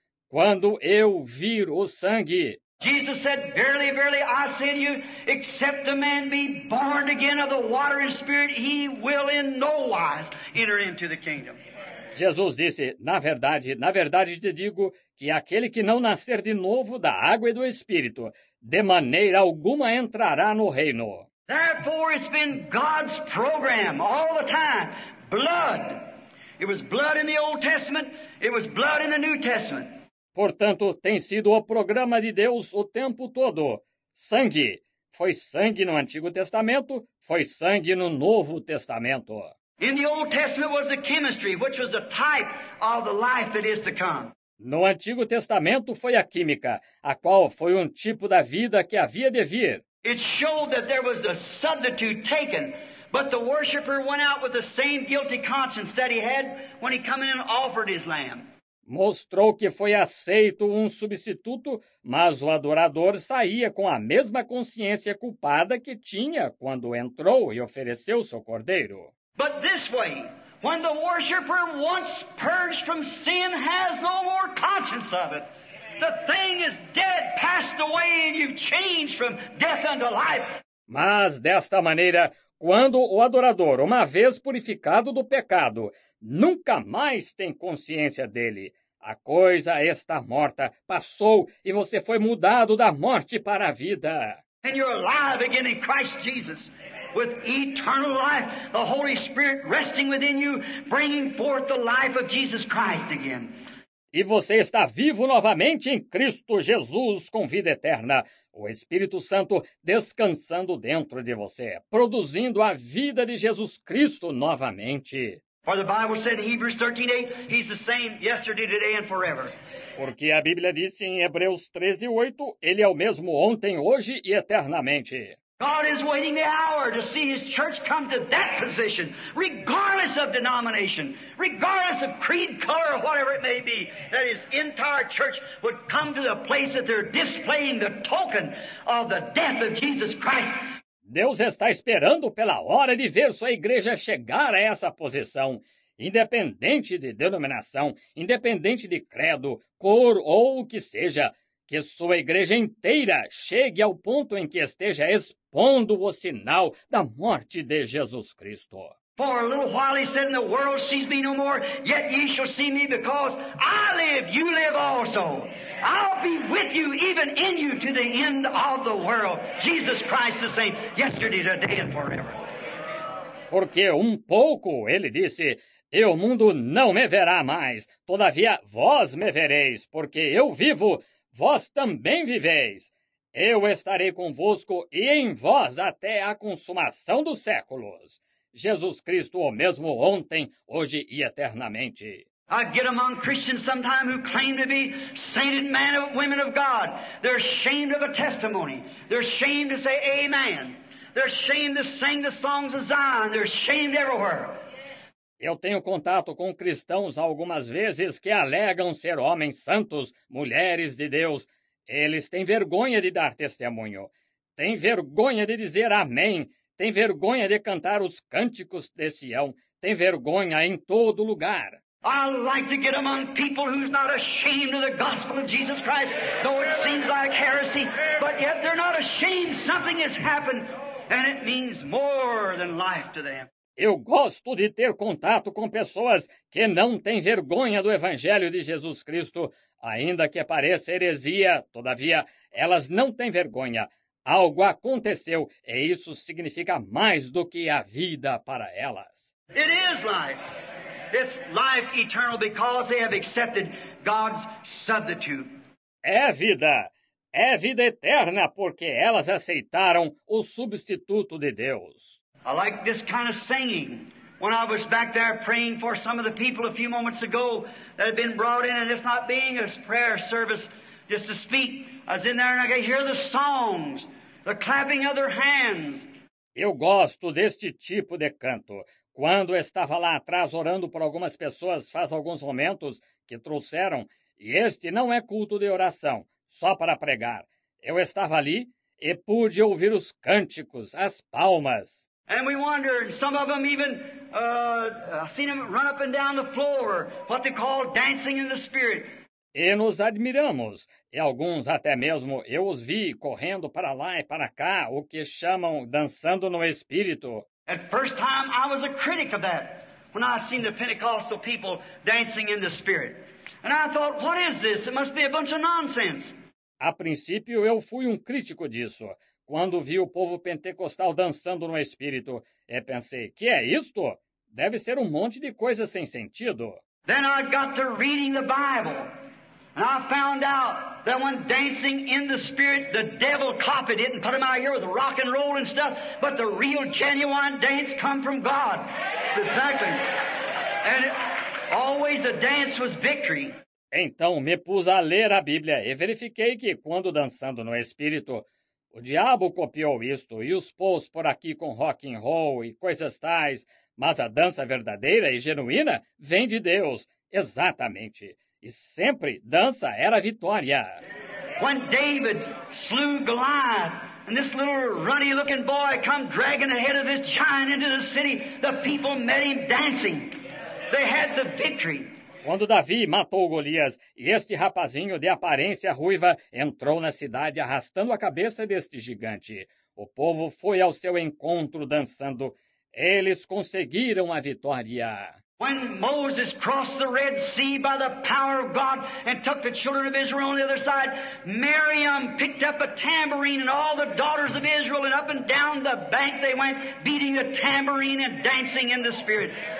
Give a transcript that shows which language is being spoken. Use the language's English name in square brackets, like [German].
[Portuguese] Quando eu vir o sangue. [English] Jesus said, verily, verily, I say to you, except a man be born again of the water and spirit, he will in no wise enter into the kingdom. [Portuguese] Jesus disse, na verdade te digo, que aquele que não nascer de novo da água e do Espírito, de maneira alguma entrará no reino. [English] Therefore, it's been God's program all the time. Blood. It was blood in the Old Testament. It was blood in the New Testament. [Portuguese] Portanto, tem sido o programa de Deus o tempo todo. Sangue. Foi sangue no Antigo Testamento, foi sangue no Novo Testamento. [English] In the Old Testament was the chemistry, which was a type of the life that is to come. [Portuguese] No Antigo Testamento foi a química, a qual foi um tipo da vida que havia de vir. [English] It showed that there was a substitute taken But the worshiper went out with the same guilty conscience that he had when he came in and offered his lamb. [Portuguese] Mostrou que foi aceito um substituto, mas o adorador saía com a mesma consciência culpada que tinha quando entrou e ofereceu seu cordeiro. [English] But this way, when the worshiper once purged from sin has no more conscience of it. The thing is dead, passed away, and you've changed from death unto life. [Portuguese] Mas desta maneira, quando o adorador, uma vez purificado do pecado, nunca mais tem consciência dele, a coisa está morta, passou e você foi mudado da morte para a vida. [English] And you're alive again in Christ Jesus, with eternal life, the Holy Spirit resting within you, bringing forth the life of Jesus Christ again. [Portuguese] E você está vivo novamente em Cristo Jesus com vida eterna, o Espírito Santo descansando dentro de você, produzindo a vida de Jesus Cristo novamente. [English] For the Bible said in Hebrews 13:8, he's the same yesterday, today and forever. [Portuguese] Porque a Bíblia disse em Hebreus 13:8, ele é o mesmo ontem, hoje e eternamente. [English] God is waiting the hour to see his church come to that position, regardless of denomination, regardless of creed, color, or whatever it may be, that his entire church would come to the place that they're displaying the token of the death of Jesus Christ. [Portuguese] Deus está esperando pela hora de ver sua igreja chegar a essa posição, independente de denominação, independente de credo, cor ou o que seja, que sua igreja inteira chegue ao ponto em que esteja expondo o sinal da morte de Jesus Cristo. [English] For a little while he said, the world sees me no more, yet ye shall see me, because I live, you live also. I'll be with you, even in you, to the end of the world. Jesus Christ the same, yesterday, today, and forever. [Portuguese] Porque pouco, ele disse, e o mundo não me verá mais. Todavia, vós me vereis, porque eu vivo, vós também viveis. Eu estarei convosco e em vós até a consumação dos séculos. Jesus Cristo, o mesmo ontem, hoje e eternamente. [English] I get among Christians sometimes who claim to be sainted men and women of God. They're ashamed of a testimony. They're ashamed to say amen. They're ashamed to sing the songs of Zion. They're ashamed everywhere. [Portuguese] Eu tenho contato com cristãos algumas vezes que alegam ser homens santos, mulheres de Deus. Eles têm vergonha de dar testemunho. Têm vergonha de dizer amém. Têm vergonha de cantar os cânticos de Sião. Têm vergonha em todo lugar. [English] I like to get among people who's not ashamed of the gospel of Jesus Christ, though it seems like heresy, but yet they're not ashamed. Something has happened, and it means more than life to them. [Portuguese] Eu gosto de ter contato com pessoas que não têm vergonha do Evangelho de Jesus Cristo, ainda que pareça heresia, todavia, elas não têm vergonha. Algo aconteceu, e isso significa mais do que a vida para elas. [English] It is life. It's life eternal because they have accepted God's substitute. [Portuguese] É vida. É vida eterna porque elas aceitaram o substituto de Deus. [English] I like this kind of singing. When I was back there praying for some of the people a few moments ago that had been brought in, and it's not being a prayer service just to speak, I was in there and I could hear the songs, the clapping of their hands. [Portuguese] Eu gosto deste tipo de canto. Quando estava lá atrás orando por algumas pessoas faz alguns momentos que trouxeram, e este não é culto de oração, só para pregar. Eu estava ali e pude ouvir os cânticos, as palmas. [English] And we wonder, some of them even, I've seen them run up and down the floor, what they call dancing in the spirit. [Portuguese] E nos admiramos, e alguns até mesmo eu os vi correndo para lá e para cá, o que chamam dançando no espírito. [English] At first time I was a critic of that, when I seen the Pentecostal people dancing in the spirit. And I thought, what is this? It must be a bunch of nonsense. [Portuguese] A princípio eu fui crítico disso, quando vi o povo pentecostal dançando no espírito, e pensei, que é isto? Deve ser monte de coisa sem sentido. [English] Then I got to reading the Bible, and I found out that when dancing in the spirit, the devil copied it and put it in my ear with rock and roll and stuff, but the real genuine dance come from God. That's exactly. And always a dance was victory. [Portuguese] Então me pus a ler a Bíblia e verifiquei que quando dançando no espírito, O diabo copiou isto e os pôs por aqui com rock and roll e coisas tais, mas a dança verdadeira e genuína vem de Deus, exatamente. E sempre dança era vitória. [English] When David slew Goliath, and this little runny-looking boy come dragging ahead of this giant into the city, the people met him dancing. They had the victory. [Portuguese] Quando Davi matou Golias e este rapazinho de aparência ruiva entrou na cidade arrastando a cabeça deste gigante, o povo foi ao seu encontro dançando. Eles conseguiram a vitória. [English] When Moses crossed the Red Sea by the power of God and took the children of Israel on the other side, Miriam picked up a tambourine and all the daughters of Israel, and up and down the bank they went, beating a tambourine and dancing in the Spirit.